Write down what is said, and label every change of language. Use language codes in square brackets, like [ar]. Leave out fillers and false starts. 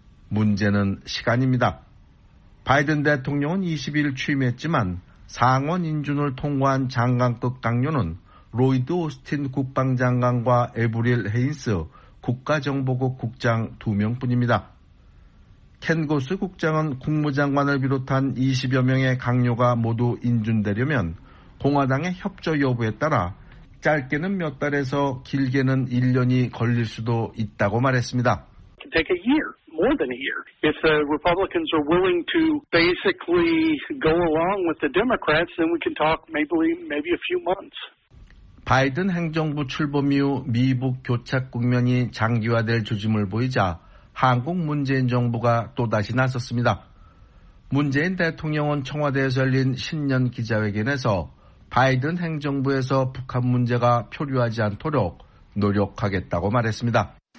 [ko] 문제는 시간입니다. 바이든 대통령은 20일 취임했지만 상원 인준을 통과한 장관급 강요는 로이드 오스틴 국방장관과 에브릴 헤인스 국가정보국 국장 두 명뿐입니다. 켄 고스 국장은 국무장관을 비롯한 20여 명의 강요가 모두 인준되려면 공화당의 협조 여부에 따라 짧게는 몇 달에서 길게는 1년이 걸릴 수도 있다고 말했습니다. [en] Take a year, more than a year. If the Republicans are willing to basically go along with the Democrats, then we can talk maybe a few months. [ko] 바이든 행정부 출범 이후 미북 교착 국면이 장기화될 조짐을 보이자 한국 문재인 정부가 또다시 나섰습니다. 문재인 대통령은 청와대에서 열린 신년 기자회견에서 바이든 행정부에서 북한 문제가 표류하지 않도록 노력하겠다고 말했습니다.